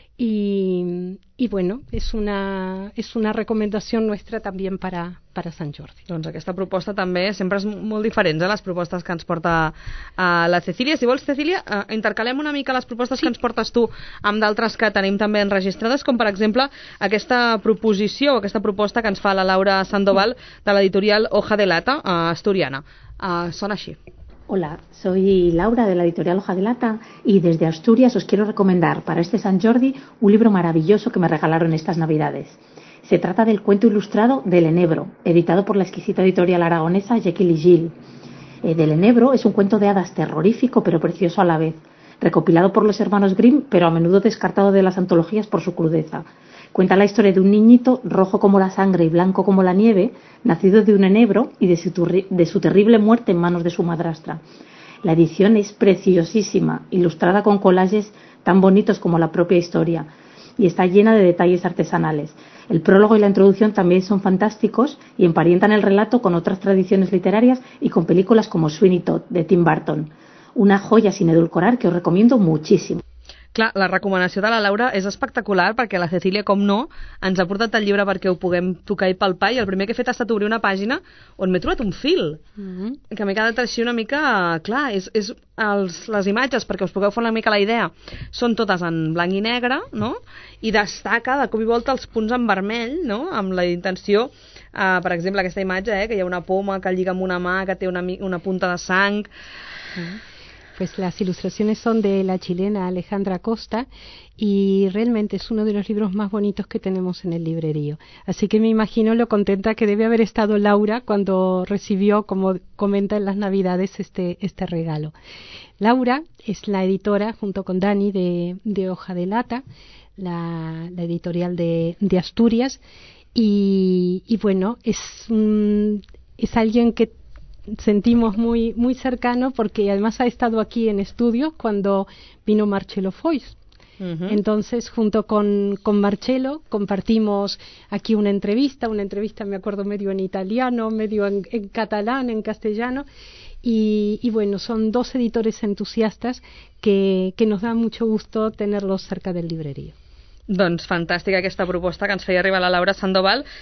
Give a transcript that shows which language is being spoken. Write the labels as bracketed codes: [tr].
[es] Y bueno, es una recomendación nuestra también para Sant Jordi. [ca] Doncs aquesta proposta també sempre és molt diferent de les propostes que ens porta la Cecília. Si vols, Cecília, intercalem una mica les propostes que ens portes tu amb d'altres que tenim també enregistrades, com per exemple aquesta proposició o aquesta proposta que ens fa la Laura Sandoval de l'editorial Hoja de Lata, asturiana. Sona així. [es] Hola, soy Laura de la editorial Hoja de Lata y desde Asturias os quiero recomendar para este Sant Jordi un libro maravilloso que me regalaron estas Navidades. Se trata del cuento ilustrado del Enebro, editado por la exquisita editorial aragonesa Jekyll y Jill. Del Enebro es un cuento de hadas terrorífico pero precioso a la vez, recopilado por los hermanos Grimm pero a menudo descartado de las antologías por su crudeza. Cuenta la historia de un niñito rojo como la sangre y blanco como la nieve, nacido de un enebro y de su terrible muerte en manos de su madrastra. La edición es preciosísima, ilustrada con collages tan bonitos como la propia historia, y está llena de detalles artesanales. El prólogo y la introducción también son fantásticos y emparentan el relato con otras tradiciones literarias y con películas como Sweeney Todd, de Tim Burton. Una joya sin edulcorar que os recomiendo muchísimo. [ca] Clar, la recomanació de la Laura és espectacular perquè la Cecília, com no, ens ha portat el llibre perquè ho puguem tocar i palpar, i el primer que he fet ha estat obrir una pàgina on m'he trobat un fil. Mm-hmm. Que m'he quedat així una mica... Clar, és les imatges, perquè us pugueu fer una mica la idea, són totes en blanc i negre, no? I destaca de cop i volta els punts en vermell, no? Amb la intenció, per exemple, aquesta imatge, que hi ha una poma que lliga amb una mà, que té una punta de sang... Mm-hmm. [es] Pues las ilustraciones son de la chilena Alejandra Costa y realmente es uno de los libros más bonitos que tenemos en el librerío. Así que me imagino lo contenta que debe haber estado Laura cuando recibió, como comenta en las Navidades, este regalo. Laura es la editora, junto con Dani, de Hoja de Lata, la editorial de Asturias. Y bueno, es alguien que... sentimos muy muy cercano porque además ha estado aquí en estudio cuando vino Marcelo Foix. Uh-huh. Entonces junto con Marcelo compartimos aquí una entrevista me acuerdo medio en italiano, medio en catalán, en castellano, y bueno, son dos editores entusiastas que nos da mucho gusto tenerlos cerca del librerío. [ca] Doncs fantàstica aquesta proposta que ens feia arribar la Laura Sandoval.